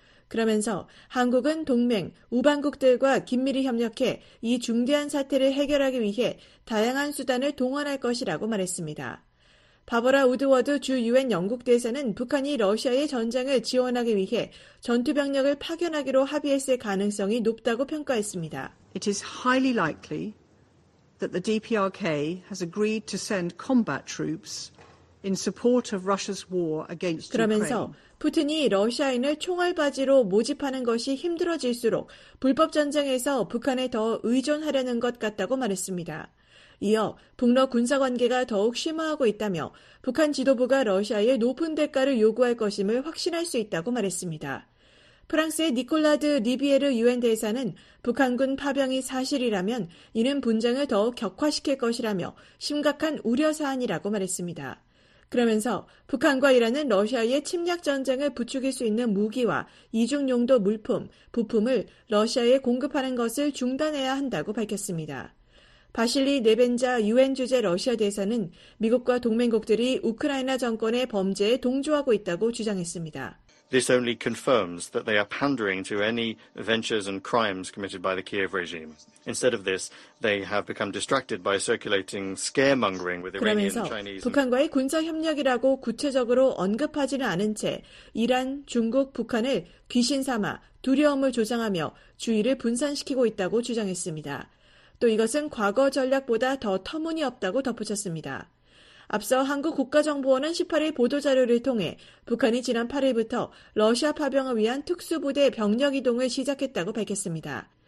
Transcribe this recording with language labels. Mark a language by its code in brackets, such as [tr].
[ko] 그러면서 한국은 동맹, 우방국들과 긴밀히 협력해 이 중대한 사태를 해결하기 위해 다양한 수단을 동원할 것이라고 말했습니다. 바버라 우드워드 주 유엔 영국대사는 북한이 러시아의 전쟁을 지원하기 위해 전투병력을 파견하기로 합의했을 가능성이 높다고 평가했습니다. [en] It is highly likely that the DPRK has agreed to send combat troops in support of Russia's war against Ukraine. [ko] 그러면서 푸틴이 러시아인을 총알받이로 모집하는 것이 힘들어질수록 불법 전쟁에서 북한에 더 의존하려는 것 같다고 말했습니다. 이어 북러 군사 관계가 더욱 심화하고 있다며 북한 지도부가 러시아에 높은 대가를 요구할 것임을 확신할 수 있다고 말했습니다. 프랑스의 니콜라드 리비에르 유엔 대사는 북한군 파병이 사실이라면 이는 분쟁을 더욱 격화시킬 것이라며 심각한 우려 사안이라고 말했습니다. 그러면서 북한과 이란은 러시아의 침략 전쟁을 부추길 수 있는 무기와 이중 용도 물품, 부품을 러시아에 공급하는 것을 중단해야 한다고 밝혔습니다. 바실리 네벤자 유엔 주재 러시아 대사는 미국과 동맹국들이 우크라이나 정권의 범죄에 동조하고 있다고 주장했습니다. [en] This only confirms that they are pandering to any ventures and crimes committed by the Kiev regime. Instead of this, they have become distracted by circulating scaremongering with Iranian Chinese. [ko] 그러면서 북한과의 군사 협력이라고 구체적으로 언급하지는 않은 채 이란, 중국, 북한을 귀신 삼아 두려움을 조장하며 주의를 분산시키고 있다고 주장했습니다. 또 이것은 과거 전략보다 더 터무니없다고 덧붙였습니다. 앞서 한국 국가정보원은 18일 보도자료를 통해 북한이 지난 8일부터 러시아 파병을 위한 특수부대 병력 이동을 시작했다고 밝혔습니다.